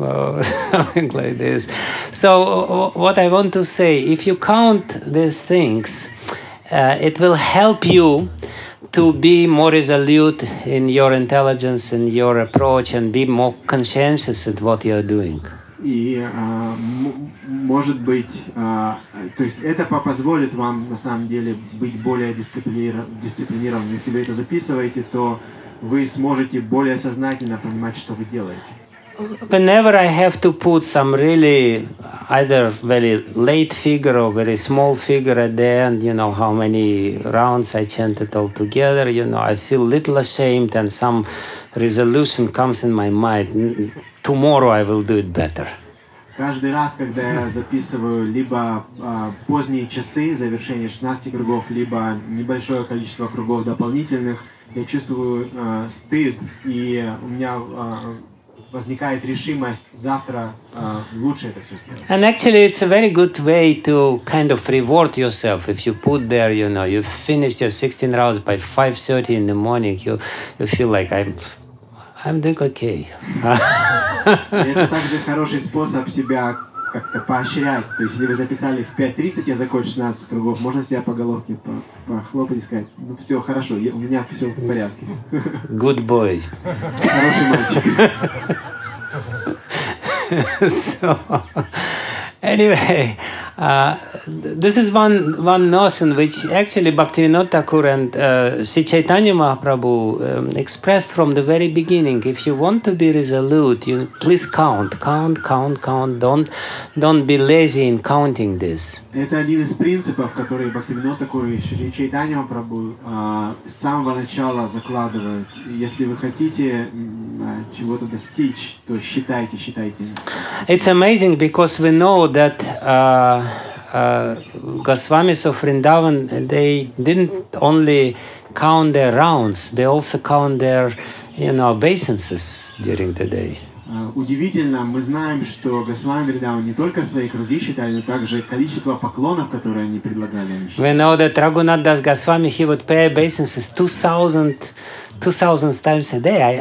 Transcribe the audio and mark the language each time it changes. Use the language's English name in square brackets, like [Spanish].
[English] or something like this. So what I want to say, if you count these things, it will help you to be more resolute in your intelligence and in your approach and be more conscientious at what you are doing. [Russian] И может быть, то есть это позволит вам на самом деле быть более дисциплинированным. Если вы это записываете, то вы сможете более сознательно понимать, что вы делаете. [English] Whenever I have to put some really either very late figure or very small figure at the end, you know, how many rounds I chanted all together, you know, I feel a little ashamed and some resolution comes in my mind. Tomorrow I will do it better. [Russian] Каждый раз, когда я записываю либо поздние часы завершения 16 кругов, либо небольшое количество кругов дополнительных, я чувствую стыд, и у меня возникает решимость завтра лучше это все сделать. [English] And actually it's a very good way to kind of reward yourself. If you put there, you know, you finished your 16 rounds by 5:30 in the morning, you feel like I'm doing okay. [Russian] Это также хороший способ себя как-то поощрять. То есть, если вы записали в 5:30, я закончу 16 кругов, можно себя по головке похлопать и сказать, ну, все хорошо, у меня все в порядке. [English] Good boy. [Russian] Хороший мальчик. [English] So, anyway, this is one notion which actually Bhaktivinoda Thakur and Sri Chaitanya Mahaprabhu expressed from the very beginning. If you want to be resolute, you please count. Don't be lazy in counting this. [Russian] Это один из принципов, который Бхактивинода Такур и Шри Чайтанья Махапрабху с самого начала закладывают. Если вы хотите чего-то достичь, то считайте. [English] It's amazing because we know that Госвамис of Vrindavan, they didn't only count their rounds, they also count their, you know, obeisances during the day. [Russian] Удивительно, мы знаем, что Госвами Вриндаван не только свои круги считали, но также количество поклонов, которые они предлагали. [English] We know that Raghunath Das Goswami, he would pay obeisances 2,000 times a day.